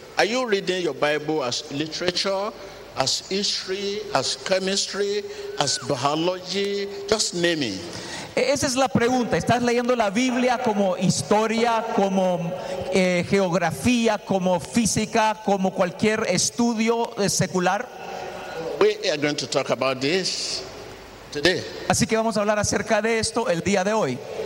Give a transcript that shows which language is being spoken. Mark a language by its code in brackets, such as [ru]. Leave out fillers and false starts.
[en] Are you reading your Bible as literature, as history, as chemistry, as biology? Just name it. [es] Esa es la pregunta. ¿Estás leyendo la Biblia como historia, como geografía, como física, como cualquier estudio secular? [en] We are going to talk about this today. [es] Así que vamos a hablar acerca de esto el día de hoy.